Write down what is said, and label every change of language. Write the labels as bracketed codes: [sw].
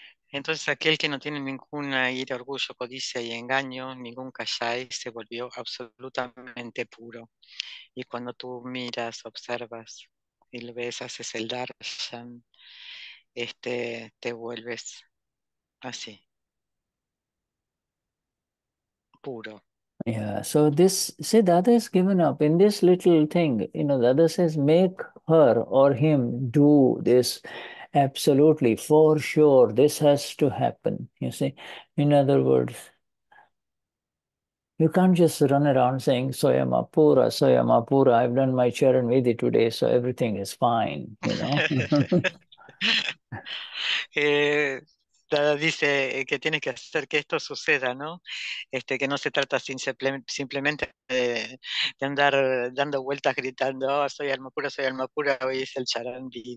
[es] Entonces aquel que no tiene ninguna ira, orgullo, codicia y engaño, ningún kashai, se volvió absolutamente puro. Y cuando tú miras, observas y lo ves, haces el darshan, te vuelves así, puro. [en] Yeah, so this, see, Dada has given up in this little thing. You know, Dada says, make her or him do this absolutely, for sure, this has to happen. You see, in other words, you can't just run around saying, Soyama Pura, Soyama Pura, I've done my charan vidhi today, so everything is fine, you know. [es] Dada dice que tienes que hacer que esto suceda, ¿no? Que no se trata simplemente de andar dando vueltas gritando, oh, soy alma pura, hoy es el charan.